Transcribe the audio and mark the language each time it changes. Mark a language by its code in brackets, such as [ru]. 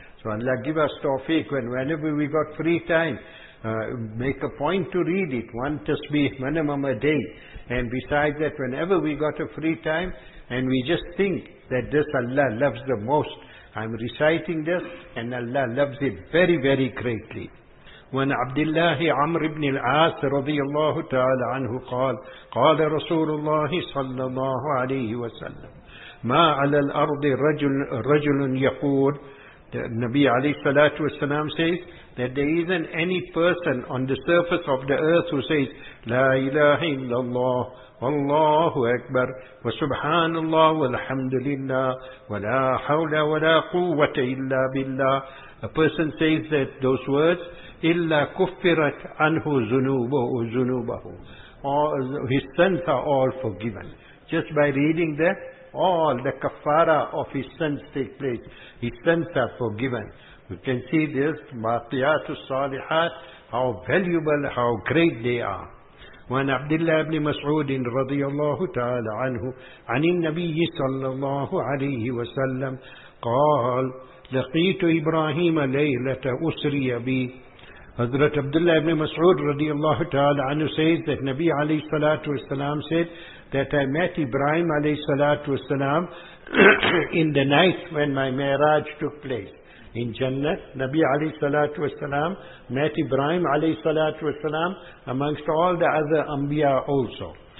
[en] So Allah give us tawfiq, whenever we got free time, make a point to read it, one tasbih minimum a day. And besides that, whenever we got a free time, and we just think that this Allah loves the most, I'm reciting this, and Allah loves it very, very greatly. When Abdullah Amr ibn al-As radiyallahu ta'ala anhu [ar] قال رسول الله صلى الله عليه وسلم ما على الأرض رجل يقول. [en] The Nabi alayhi salatu wasalam says that there isn't any person on the surface of the earth who says [ar] لا إله إلا الله والله أكبر وسبحان الله والحمد لله ولا حول ولا قوة إلا بالله. [en] A person says that those words [ar] إِلَّا كُفِّرَتْ عَنْهُ زُنُوبُهُ زُنُوبَهُ. [en] His sins are all forgiven. Just by reading that, all the kafara of his sins take place. His sins are forgiven. We can see this, [ar] مَاقِيَاتُ الصَّالِحَاتِ, [en] how valuable, how great they are. When Abdullah ibn Mas'ud [ar] رضي الله تعالى عنه عن النبي صلى الله عليه وسلم قال لقيت إبراهيم ليلة أسري بي. [en] Hazrat Abdullah ibn Mas'ud radiyallahu ta'ala anhu says that Nabi alayhi salatu wasalam said that I met Ibrahim alayhi salatu wasalam in the night when my miraj took place. In Jannah, Nabi alayhi salatu wasalam met Ibrahim alayhi salatu wasalam amongst all the other anbiya also.